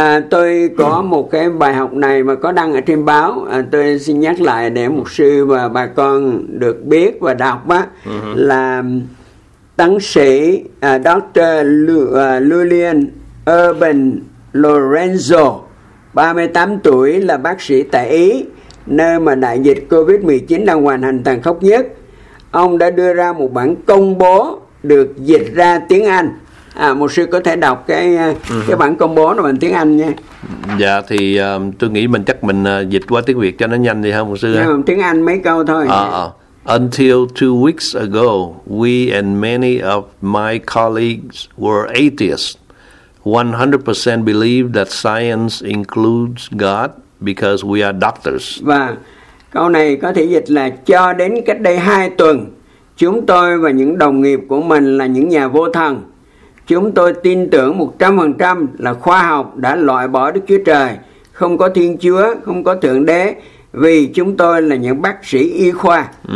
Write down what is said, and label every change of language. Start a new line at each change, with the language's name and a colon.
Vietnamese: Tôi có một cái bài học này mà có đăng ở trên báo, tôi xin nhắc lại để mục sư và bà con được biết và đọc á, là tăng sĩ Dr. Lillian Urban Lorenzo, 38 tuổi, là bác sĩ tại Ý, nơi mà đại dịch COVID-19 đang hoành hành tàn khốc nhất. Ông đã đưa ra một bản công bố được dịch ra tiếng Anh. Mục sư có thể đọc cái bản công bố nó bằng tiếng Anh nha. Dạ thì tôi nghĩ mình chắc mình dịch qua tiếng Việt cho nó nhanh đi ha mục sư. Nhưng tiếng Anh mấy câu thôi.
English: Until 2 weeks ago, we and many of my colleagues were atheists. 100% believe that science includes God because we are doctors.
Vietnamese: Và câu này có thể dịch là cho đến cách đây 2 tuần, chúng tôi và những đồng nghiệp của mình là những nhà vô thần. Chúng tôi tin tưởng 100% là khoa học đã loại bỏ Đức Chúa Trời, không có Thiên Chúa, không có Thượng Đế, vì chúng tôi là những bác sĩ y khoa.